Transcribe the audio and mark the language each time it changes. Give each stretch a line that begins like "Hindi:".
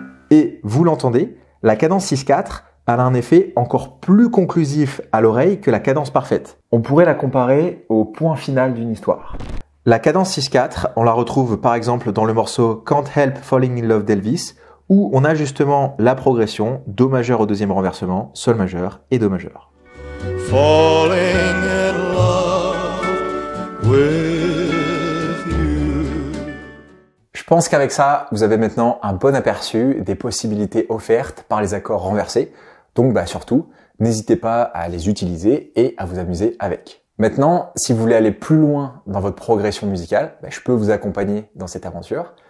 French: Et vous l'entendez, la cadence 6-4, elle a un effet encore plus conclusif à l'oreille que la cadence parfaite. On pourrait la comparer au point final d'une histoire. La cadence 6-4, on la retrouve par exemple dans le morceau Can't Help Falling in Love d'Elvis, où on a justement la progression Do majeur au deuxième renversement, Sol majeur et Do majeur.
English: Falling in love with you.
French: Je pense qu'avec ça, vous avez maintenant un bon aperçu des possibilités offertes par les accords renversés. Donc bah, surtout, n'hésitez pas à les utiliser et à vous amuser avec. Maintenant, si vous voulez aller plus loin dans votre progression musicale, bah, je peux vous accompagner dans cette aventure.